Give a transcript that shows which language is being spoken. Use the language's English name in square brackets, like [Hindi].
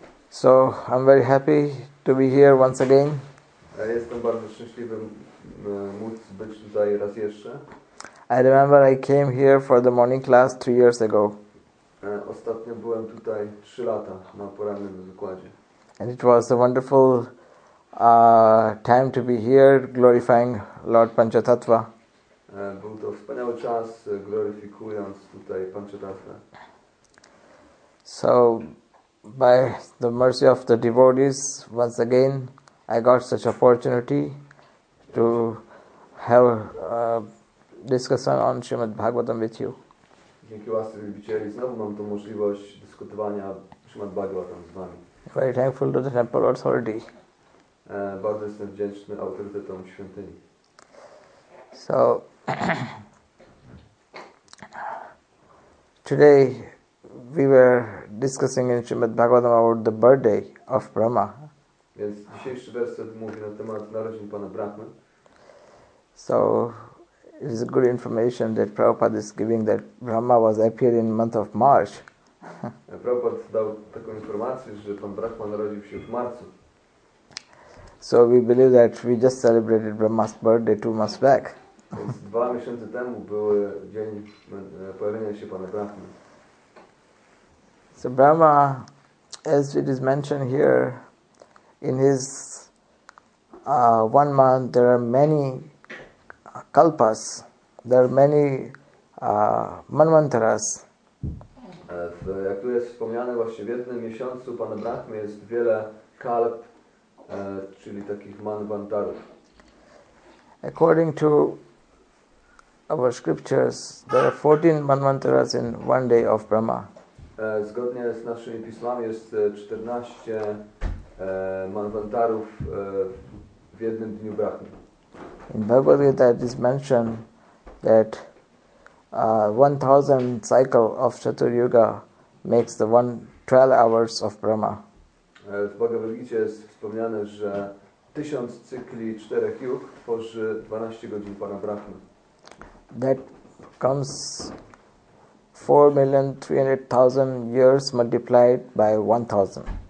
[English] So, I'm very happy to be here once again. [Polish] Ja jestem bardzo szczęśliwy móc być tutaj raz jeszcze. [English] I remember I came here for the morning class 3 years ago. [Polish] Ostatnio byłem tutaj 3 lata na porannym wykładzie. [English] And it was a wonderful time to be here glorifying Lord Panchatattva. [Polish] Był to wspaniały czas gloryfikując tutaj Panchatattva. [English] So by the mercy of the devotees once again I got such opportunity to have a discussion on Srimad Bhagavatam with you. [Polish] Dzięki łasce wielbicieli znowu mam tą możliwość dyskutowania Srimad Bhagavatam z wami. [English] Very thankful to the temple authority. [Polish] Bardzo jestem wdzięczny autorytetom świątyni. [English] So today we were discussing in Srimad Bhagavatam about the birthday of Brahma. [Polish] Więc dzisiejszy werset mówi na temat narodzin Pana Brahmy. [English] So it is a good information that Prabhupada is giving that Brahma was appeared in the month of March. [Polish] Prabhupada dał taką informację, że Pan Brahma narodził się w marcu. [English] So we believe that we just celebrated Brahma's birthday 2 months back. [Polish] 2 miesiące temu był dzień pojawienia się Pana Brahmy. [English] So Brahma, as it is mentioned here, in his 1 month there are many kalpas, there are many manvantaras. [Polish] Jak tu jest wspomniane, właśnie w jednym miesiącu Pana Brahmy jest wiele kalp, czyli takich manvantarów. [English] According to our scriptures, there are 14 manvantaras in one day of Brahma. [Polish] Zgodnie z naszymi pismami jest 14 manvantarów w jednym dniu Brahmy. [English] In Bhagavad Gita it is mentioned that 1,000 cycle of Chaturyuga makes the 12 hours of Brahma. [Polish] W Bhagavad Gita jest wspomniane, że 1,000 cykli czterech jug tworzy 12 godzin Pana Brahmy. [English] That comes 4,300,000 years multiplied by 1,000.